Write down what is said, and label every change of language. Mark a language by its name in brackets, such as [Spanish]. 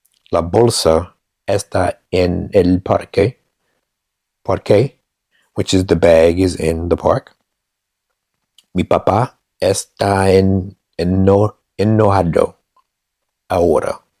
[Spanish] La bolsa está en el parque. [English] Parque, which is the bag, is in the park. [Spanish] Mi papá está enojado ahora.